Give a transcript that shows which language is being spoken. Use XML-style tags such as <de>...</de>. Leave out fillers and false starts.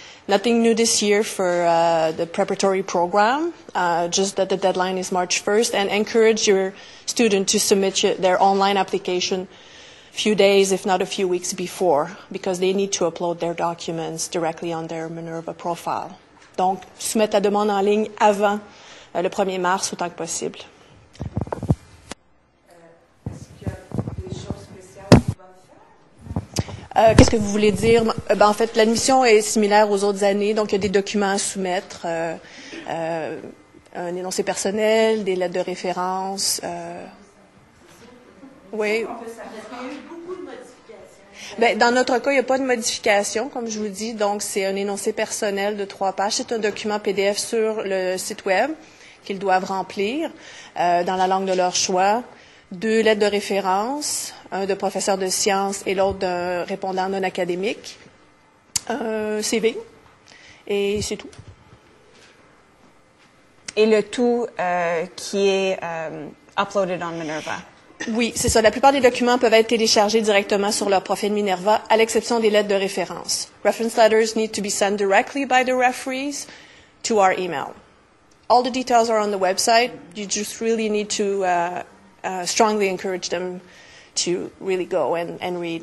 <en>Nothing new this year for the preparatory program, just that the deadline is March 1st, and encourage your student to submit their online application a few days, if not a few weeks before, because they need to upload their documents directly on their Minerva profile.</en> <fr>Donc, soumet ta demande en ligne avant le 1er mars autant que possible. Qu'est-ce que vous voulez dire? Ben, en fait, l'admission est similaire aux autres années, donc il y a des documents à soumettre, un énoncé personnel, des lettres de référence. Oui. Il y a eu beaucoup de modifications. Ben, dans notre cas, il n'y a pas de modification, comme je vous dis, donc c'est un énoncé personnel de 3 pages. C'est un document PDF sur le site web qu'ils doivent remplir dans la langue de leur choix. 2 lettres de référence, un de professeur de sciences et l'autre d'un répondant non académique, un CV, et c'est tout. Et le tout qui est uploaded on Minerva? Oui, c'est ça. La plupart des documents peuvent être téléchargés directement sur leur profil Minerva, à l'exception des lettres de référence.</fr> <en>Reference letters need to be sent directly by the referees to our email. All the details are on the website. You just really need to... strongly encourage them to really go and read.</en>